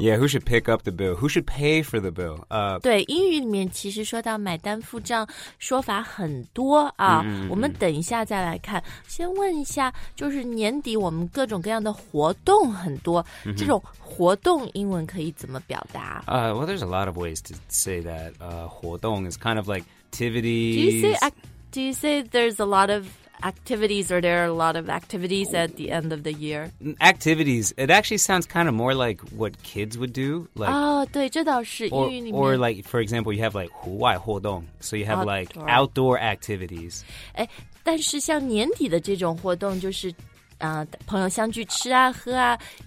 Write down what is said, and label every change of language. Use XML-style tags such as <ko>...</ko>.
<en>Yeah, who should pick up the bill? Who should pay for the bill?、</en> <zh>对，英语里面其实说到买单付账说法很多啊。 Mm-hmm. 我们等一下再来看，先问一下，就是年底我们各种各样的活动很多、 mm-hmm. 这种活动英文可以怎么表达、</zh> <en>Well, there's a lot of ways to say that、活动 is kind of like activities. Do you say there's a lot of activities or there are a lot of activities at the end of the year? Activities. It actually sounds kind of more like what kids would do. Like,</en> <zh>oh, 对，这倒是英语里面。</zh> <en>Or like, for example, you have like 户外活动。So you have like outdoor activities.</en> <zh>哎，但是像年底的这种活动就是朋友相聚吃啊喝啊。</zh>